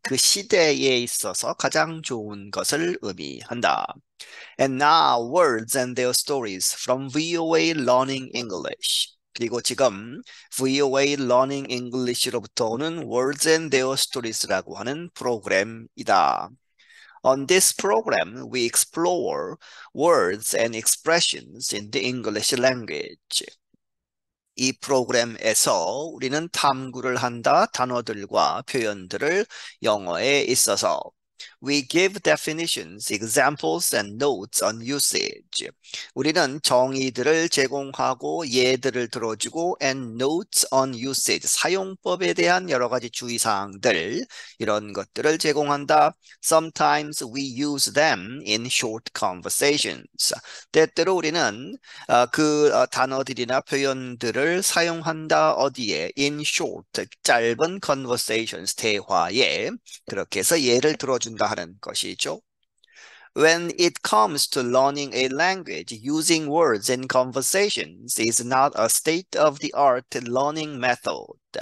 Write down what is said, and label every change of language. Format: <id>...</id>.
<ko>그 시대에 있어서 가장 좋은 것을 의미한다.</ko> <en>And now words and their stories from VOA Learning English.</en> <ko>그리고 지금 VOA Learning English로부터 오는 Words and Their Stories라고 하는 프로그램이다.</ko> <en>On this program, we explore words and expressions in the English language.</en> <ko>이 프로그램에서 우리는 탐구를 한다. 단어들과 표현들을 영어에 있어서.</ko> <en>We give definitions, examples, and notes on usage.</en> <ko>우리는 정의들을 제공하고 예들을 들어주고</ko> <en>and notes on usage,</en> <ko>사용법에 대한 여러 가지 주의사항들, 이런 것들을 제공한다.</ko> <en>Sometimes we use them in short conversations.</en> <ko>때때로 우리는 단어들이나 표현들을 사용한다. 어디에?</ko> <en>In short,</en> <ko>짧은 conversations, 대화에. 그렇게 해서 예를 들어준다. 하는 것이죠.</ko> <en>When it comes to learning a language, using words in conversations is not a state-of-the-art learning method.</en>